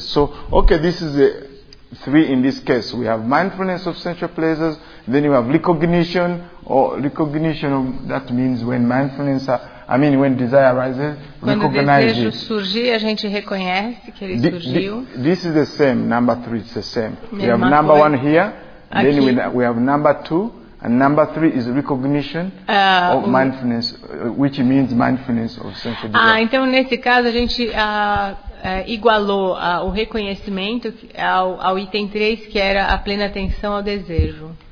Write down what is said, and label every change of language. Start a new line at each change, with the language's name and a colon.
English: So, okay, this is the three in this case. We have mindfulness of sensual pleasures. Then you have recognition, or recognition of, that means when mindfulness, when desire arises, recognize it.
Portuguese: Quando o desejo surgir, a gente reconhece que ele surgiu.
English: This is the same. Number three is the same. We have number one here.
Portuguese: Aqui.
English: Then we have number two. And number three is recognition of mindfulness, which means mindfulness of sensual desire.
Portuguese: Ah, então nesse caso a gente igualou o reconhecimento ao item 3, que era a plena atenção ao desejo.